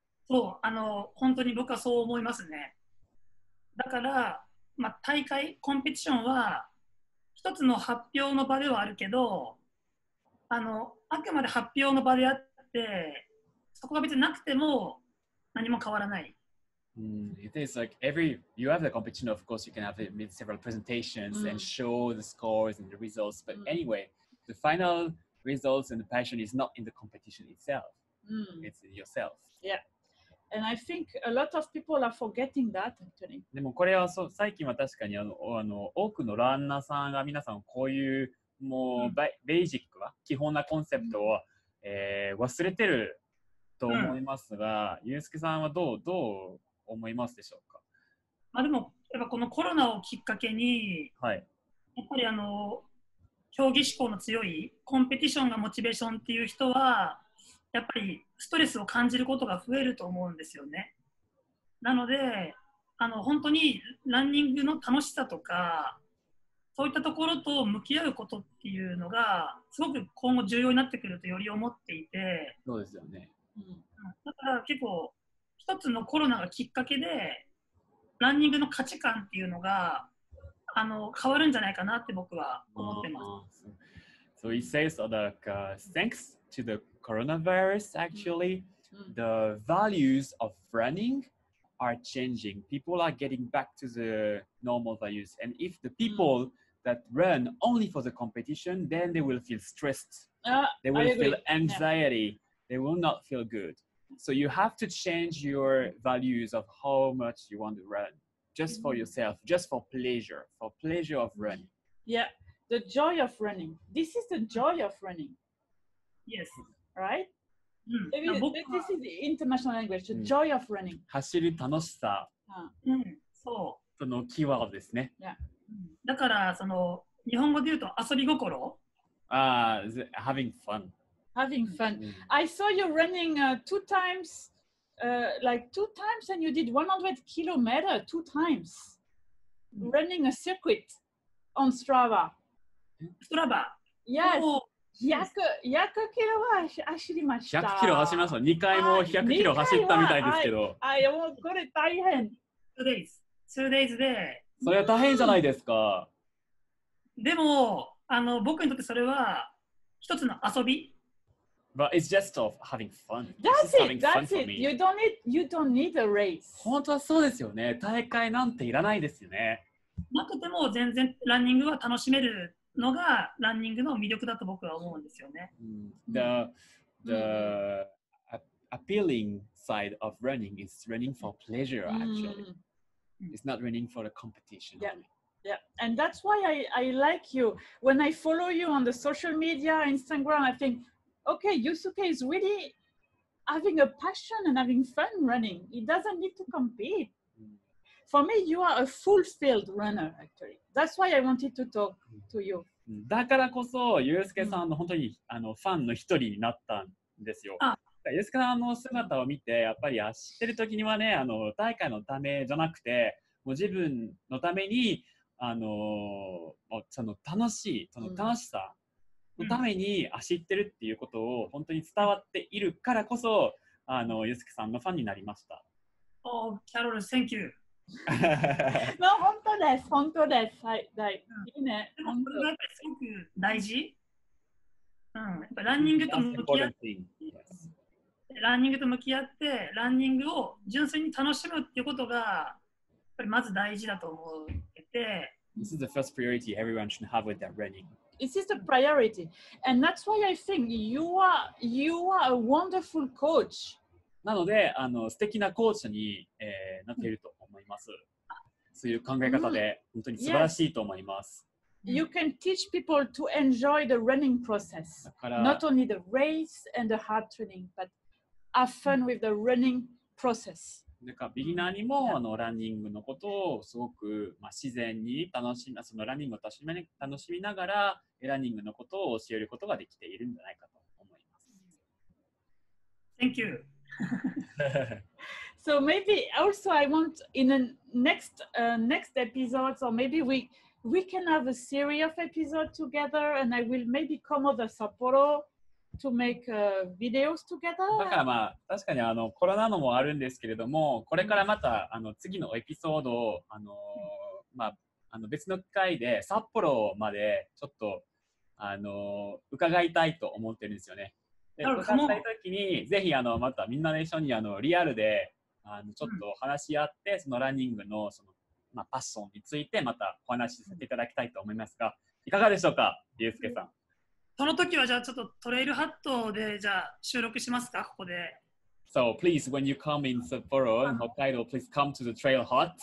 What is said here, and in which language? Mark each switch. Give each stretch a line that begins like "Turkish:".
Japanese: そう、あの、本当に僕はそう思いますね。だから、まあ、大会、コンペティションは一つの発表の場ではあるけど、あの、あくまで発表の場であって、そこが別になくても何も変わらない。
English: It is like every, you have the competition, of course you can have it with several presentations and show the scores and the results, but anyway, the finalresults and the passion is not in the competition itself. It's in yourself. Yeah. And I think a lot of people are forgetting that, actually.
Japanese: でもこれは最近は確かにあの多くのランナーさんが皆さんこういうもう、ベーシックは基本なコンセプトを、忘れてると思いますが、ユースケさんはどう思いますでしょうか？まあでも、やっぱこのコロナをきっかけに、はい、やっぱりあの、競技志向の強い、コンペティションがモチベーションっていう人は、やっぱりストレスを感じることが増えると思うんですよね。なので、あの、本当にランニングの楽しさとか、そういったところと向き合うことっていうのが、すごく今後重要になってくるとより思っていて。そうですよね。だから結構、一つのコロナがきっかけで、ランニングの価値観っていうのが変わるんじゃないかなって僕は思ってます。
English: So he says that、thanks to the coronavirus, actually,、the values of running are changing. People are getting back to the normal values. And if the people、that run only for the competition, then they will feel stressed.、they will feel anxiety.、They will not feel good. So you have to change your values of how much you want to run just、for yourself, just for pleasure of running. Yeah. The joy of running. This is the joy of running. Yes. Right?、This is the international language. The joy of running.
Japanese: 走る楽しさ。そう。そのキーワードですね。
English: Yeah.
Japanese: だから、その日本語で言うと遊び心
English: having fun. Having fun.、I saw you running two times and you did 100 kilometers two times.、Running a circuit on Strava.
Japanese: ストラバー
English: Yes!
Japanese: 100キロは走りました 100キロ走りますよ2回も100キロ走ったみたいですけどこれ大変
English: 2 days
Japanese: でそれは大変じゃないですか、でも僕にとってそれは一つの遊び
English: But it's just of having fun That's it! That's it! You don't need a race
Japanese: 本当はそうですよね大会なんていらないですよねなくても全然ランニングは楽しめるのがランニングの魅力だと僕は思うんですよね。
English: The appealing side of running is running for pleasure actually. It's not running for a competition. Yeah, yeah. And that's why I like you. When I follow you on the social media, Instagram, I think, okay, Yusuke is really having a passion and having fun running. He doesn't need to compete. For me, you are a fulfilled runner, actually. That's why I wanted to talk to you.
Japanese: だからこそ、ユースケさんの本当に、ファンの一人になったんですよ。ユースケさんの姿を見て、やっぱり走ってる時にはね、大会のためじゃなくて、もう自分のために、その楽しさのために走ってるっていうことを本当に伝わっているからこそ、ユースケさんのファンになりました。
English: Oh, Carol, thank you.
Japanese: まあ本当です本当ですはいはい、いいねでもこれがやっぱりすごく大事やっぱランニングと向き合ってランニングと向き合ってランニングを純粋に楽しむっていうことがやっぱりまず大事だと思ってて
English: This is the first priority everyone should have with their running This is the priority and that's why I think you are a wonderful coach
Japanese: なので素敵なコーチに、なっていると思います。そういう考え方で本当に素晴らしいと思います。
English: Yes. You can teach people to enjoy the running process. Not only the race and the hard training, but have fun with the running process.
Japanese: なんかビギナーにもランニングのことをすごく、自然に楽しみ、そのランニングを楽しみながらランニングのことを教えることができているんじゃないかと思います。
English: Thank you. So maybe also I want in the next episodes or maybe we can have a series of episodes together and I will maybe come over Sapporo to make videos together.
Japanese: だからまあ確かにコロナのもあるんですけれどもこれからまた次のエピソードをまあ別の機会で札幌までちょっと伺いたいと思ってるんですよね。伺いたいときに、ぜひまたみんなで一緒にリアルでちょっと話し合って、そのランニングの、その、パッションについてまたお話しさせていただきたいと思いますが、いかがでしょうか、リュウスケさん。その時はじゃあちょっとトレイルハットでじゃあ収録しますか、ここで。
English: So please, when you come in Sapporo, in Hokkaido, please come to the trail hut.